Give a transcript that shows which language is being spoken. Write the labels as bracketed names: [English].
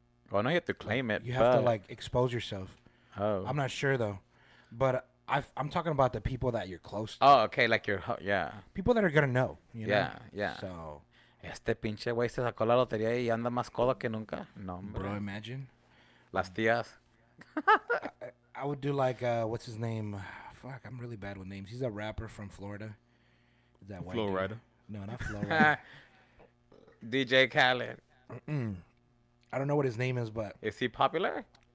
[English] Well, now you have to claim it. You have to, like, expose yourself. Oh. I'm not sure, though. But I'm talking about the people that you're close to. Oh, okay. Like, you're, people that are going to know, you know? Yeah, yeah. So. [Spanish] Este pinche güey se sacó la lotería y anda más codo que nunca. No, [English] bro. Bro, imagine. [Spanish] Las tías. [English] I would do, like, what's his name? Fuck, I'm really bad with names. He's a rapper from Florida. Is that white? Florida. No, not Florida. DJ Khaled. Mm-mm. I don't know what his name is, but... Is he popular?